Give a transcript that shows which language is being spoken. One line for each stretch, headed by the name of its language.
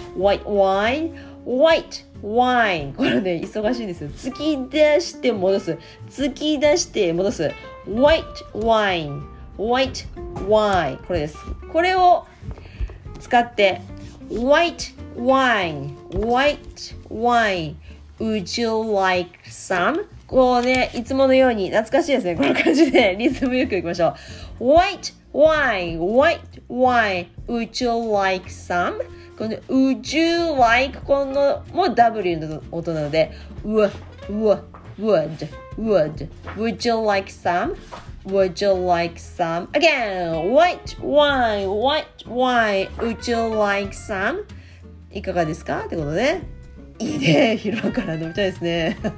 English: White wine、 White wine、
Japanese: これね忙しいんですよ。突き出して戻す、突き出して戻す、 White wine、 White wine、 これです。これを使って
English: White wine、 White wine、 Would you like some?
Japanese: こうね、いつものように懐かしいですね。この感じでリズムよくいきましょう。
English: White wine, white wine, would you like some?
Japanese: この
English: would you like、
Japanese: このも W の音なので、
English: would, would, would you like some? Would you like some? Again, white wine, white wine, would you like some?
Japanese: いかがですかってことで、いいね、昼間から飲みたいですね。